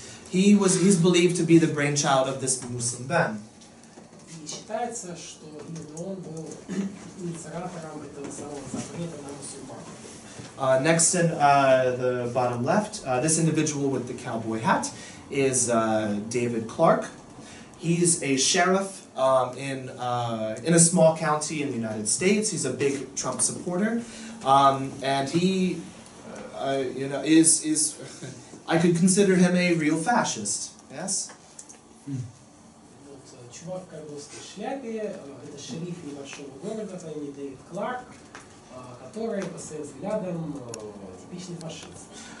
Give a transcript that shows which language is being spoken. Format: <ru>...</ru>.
<en>He was he's believed to be the brainchild of this Muslim ban.</en> <ru>И считается, что именно он был инициатором этого самого запрета на мусульман.</ru> <en>Next in the bottom left, this individual with the cowboy hat is David Clark. He's a sheriff in a small county in the United States. He's a big Trump supporter, and he, you know, is I could consider him a real fascist. Yes.</en> <ru>Чувак в карбузской шляпе, это шериф небольшого города по имени Дэвид Кларк, который, по своим взглядам, типичный фашист.</ru>